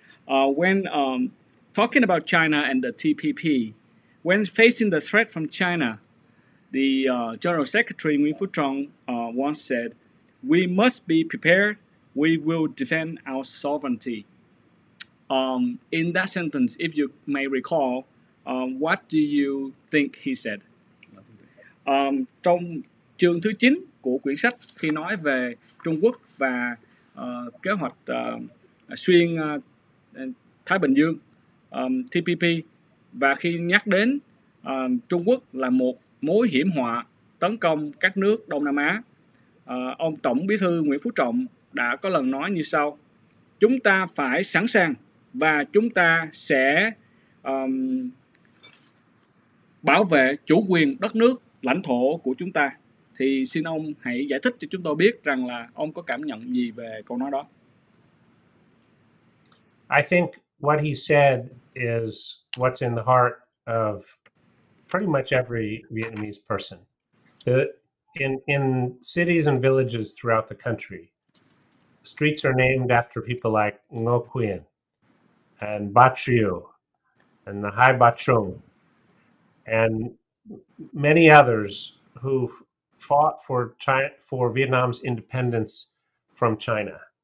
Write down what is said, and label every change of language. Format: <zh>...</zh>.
<en>When talking about China and the TPP, when facing the threat from China, the General Secretary Nguyễn Phú Trọng once said, "We must be prepared. We will defend our sovereignty." In that sentence, if you may recall, what do you think he said?</en> <vi>Trong chương thứ 9 của quyển sách, khi nói về Trung Quốc và kế hoạch xuyên Thái Bình Dương, TPP, và khi nhắc đến Trung Quốc là một mối hiểm họa tấn công các nước Đông Nam Á, ông Tổng Bí thư Nguyễn Phú Trọng đã có lần nói như sau: chúng ta phải sẵn sàng và chúng ta sẽ bảo vệ chủ quyền đất nước, lãnh thổ của chúng ta. Thì xin ông hãy giải thích cho chúng tôi biết rằng là ông có cảm nhận gì về câu nói đó.</vi> <en>I think what he said is what's in the heart of pretty much every Vietnamese person. In cities and villages throughout the country, streets are named after people like Ngo Quyen and Ba Triệu and the Hai Ba Trung and many others who fought for China, for Vietnam's independence from China.</en>